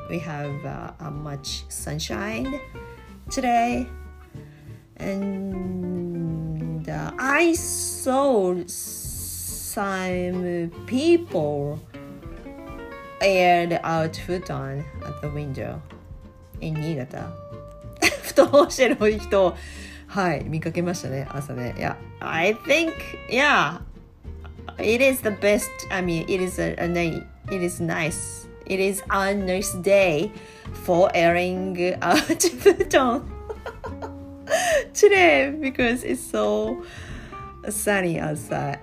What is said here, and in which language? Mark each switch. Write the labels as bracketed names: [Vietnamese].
[English] We have a much sunshine today. And I saw some people aired out futon at the window in Niigata. [Japanese] 布団をしてる人を、はい、見かけましたね、朝ね。 [English] Yeah. I think, yeah, it is the best, I mean, it is a nice day for airing out futon. Today, because it's so sunny outside.